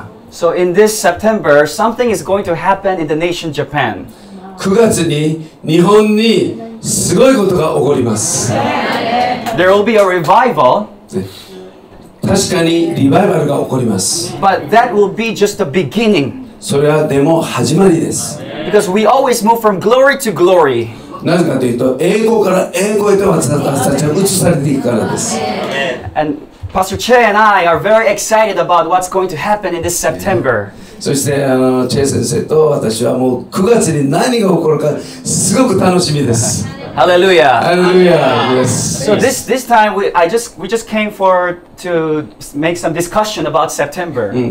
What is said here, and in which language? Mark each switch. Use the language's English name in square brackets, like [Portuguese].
[English] So in this September, something is going to happen in the nation Japan. [Japanese] 9月に 日本に すごいことが起こります。 [English] There will be a revival. [Japanese] 確かに リバイバルが起こります。 [English] But that will be just the beginning. [Japanese] それはでも始まりです。 [English] Because we always move from glory to glory. [Japanese] なぜかというと、栄光から栄光へと私たちは移されていくからです。 [English] And Pastor Che and I are very excited about what's going to happen in this September. [Japanese] そして、チェ先生と私はもう9月に何が起こるかすごく楽しみです。 [English] Hallelujah. Hallelujah. Yes. So this time we just came for to make some discussion about September.